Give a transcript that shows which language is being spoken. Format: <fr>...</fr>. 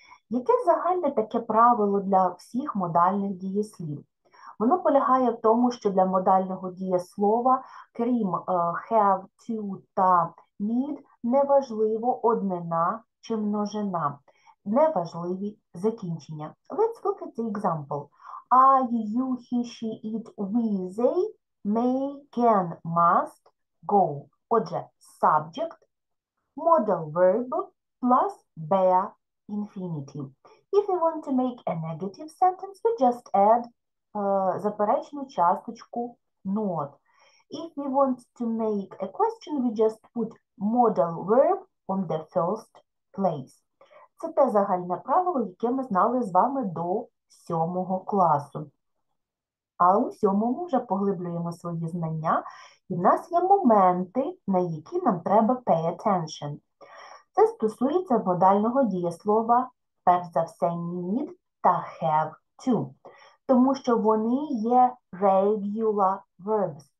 <uk>Яке загальне таке правило для всіх модальних дієслів? Воно полягає в тому, що для модального дієслова, крім have, to та need, неважливо однина чи множина. Неважливі закінчення.</uk> <en>Let's look at the example. I, you, he, she, it, we, they, may, can, must, go. Отже, subject, modal verb, plus bare infinitive. If you want to make a negative sentence, you just add</en> <uk>заперечну часточку</uk> <en>not. If you want to make a question, we just put modal verb on the first place.</en> <uk>Це те загальне правило, яке ми знали з вами до 7 класу. А у 7-му вже поглиблюємо свої знання, і в нас є моменти, на які нам треба</uk> <en>pay attention.</en> <uk>Це стосується модального дієслова перш за все need та have to, тому що вони є</uk> <en>regular verbs.</en>